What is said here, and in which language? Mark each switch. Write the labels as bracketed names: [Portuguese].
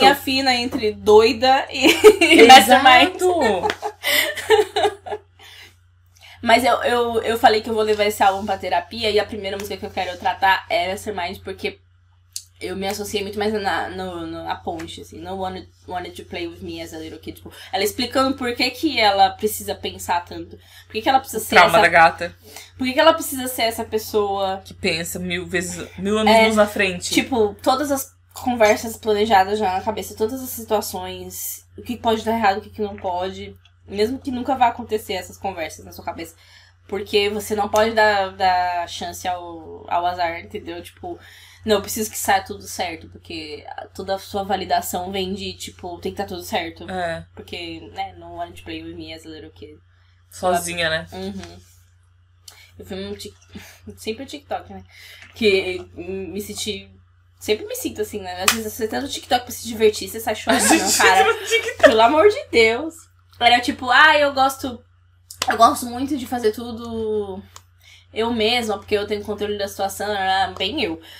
[Portuguese] Linha fina entre doida e mastermind. Mas eu falei que eu vou levar esse álbum pra terapia, e a primeira música que eu quero tratar é Mastermind, porque eu me associei muito mais na ponte, assim. [English] No wanted to play with me as a little kid. [Portuguese] Tipo, ela explicando por que que ela precisa pensar tanto. Por que que ela precisa o ser trauma essa... Trauma da gata. Por que que ela precisa ser essa pessoa... Que pensa mil vezes... Mil anos luz na frente. Tipo, todas as conversas planejadas já na cabeça. Todas as situações. O que pode dar errado, o que não pode. Mesmo que nunca vá acontecer essas conversas na sua cabeça. Porque você não pode dar chance ao azar, entendeu? Tipo, não, eu preciso que saia tudo certo, porque toda a sua validação vem de, tipo, tem que estar tudo certo. É. Porque, né, [English] no one to play with me as a little kid. [Portuguese] Sozinha, né? Eu vi um sempre o TikTok, né? Que me senti. Sempre me sinto assim, né? Às vezes você tá no TikTok pra se divertir, você sai A chorando, gente cara. Pelo amor de Deus. Era tipo, ah, eu gosto muito de fazer tudo eu mesma, porque eu tenho controle da situação, bem eu.